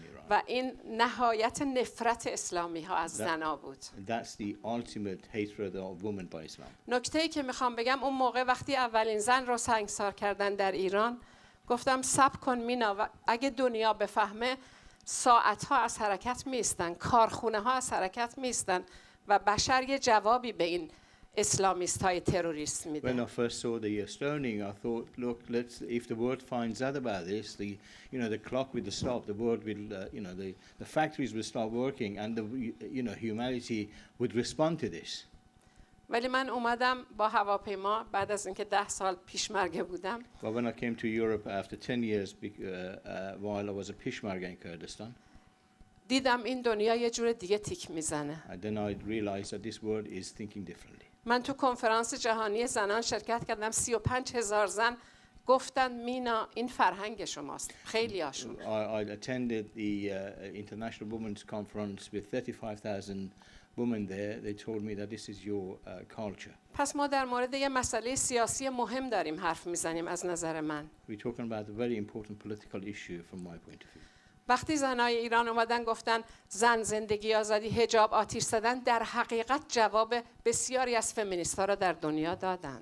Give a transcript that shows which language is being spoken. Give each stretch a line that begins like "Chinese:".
Persian: و این نهایت نفرت اسلامی ها از زنا بود.
English: That's the ultimate hatred of women by Islam.
Persian: نکته ای که میخوام بگم اون موقع وقتی اولین زن رو سنگسار کردن در ایران گفتم صبر کن مینا و اگه دنیا بفهمه ساعت ها از حرکت میستن کارخونه ها از حرکت میستن و بشر یه جوابی به این اسلامیست های تروریست میده.
English: When I first saw the stoning, I thought, look, if the world finds out about this, the clock will stop, the world will, the factories will start working, and humanity would respond to this.
Persian: ولی من اومدم با هواپیما بعد از اینکه 10 سال پیشمرگه بودم.
English: But when I came to Europe after 10 years, while I was a پیشمرگه in Kurdistan.
Persian: دیدم این دنیا یه جور دیگه تیک میزنه.
English: And then I realized that this world is thinking differently.
Persian: من تو کنفرانس جهانی زنان شرکت کردم 35,000 زن گفتن مینا این فرهنگ شماست خیلی هاشون
English: I attended the international women's conference with 35,000 women there they told me that this is your culture
Persian: پس ما در مورد یه مسئله سیاسی مهم داریم حرف میزنیم از نظر من
English: We're talking about a very important political issue from my point of view
Persian: وقتی زنای ایران اومدن گفتن زن زندگی آزادی حجاب آتیش زدن در حقیقت جواب بسیاری از فمینیست‌ها را در دنیا دادن.